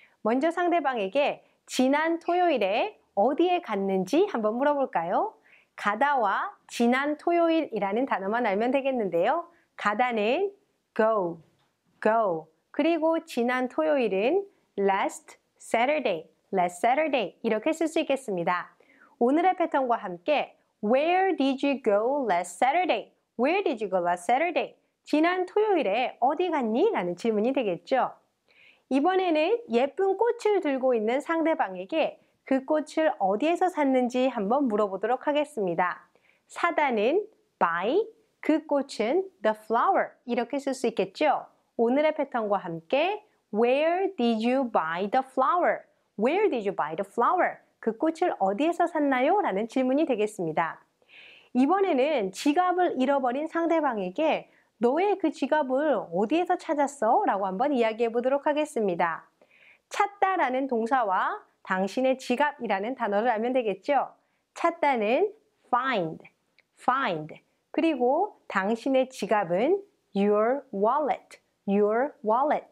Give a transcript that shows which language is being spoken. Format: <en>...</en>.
<ko>먼저 상대방에게 지난 토요일에 어디에 갔는지 한번 물어볼까요? 가다와 지난 토요일이라는 단어만 알면 되겠는데요. 가다는 go, 그리고 지난 토요일은 last</ko> <en>Saturday, last Saturday</en> <ko>이렇게 쓸 수 있겠습니다. 오늘의 패턴과 함께</ko> <en>Where did you go last Saturday? Where did you go last Saturday?</en> <ko>지난 토요일에 어디 갔니? 라는 질문이 되겠죠. 이번에는 예쁜 꽃을 들고 있는 상대방에게 그 꽃을 어디에서 샀는지 한번 물어보도록 하겠습니다. 사다는 buy, 그 꽃은 the flower 이렇게 쓸 수 있겠죠.</ko> <en>오늘의 패턴과 함께 Where did you buy the flower? Where did you buy the flower?</en> <ko>그 꽃을 어디에서 샀나요? 라는 질문이 되겠습니다. 이번에는 지갑을 잃어버린 상대방에게 너의 그 지갑을 어디에서 찾았어? 라고 한번 이야기해 보도록 하겠습니다. 찾다 라는 동사와 당신의 지갑이라는 단어를 알면 되겠죠. 찾다는 find, find. 그리고 당신의 지갑은</ko> <en>your wallet, your wallet.</en>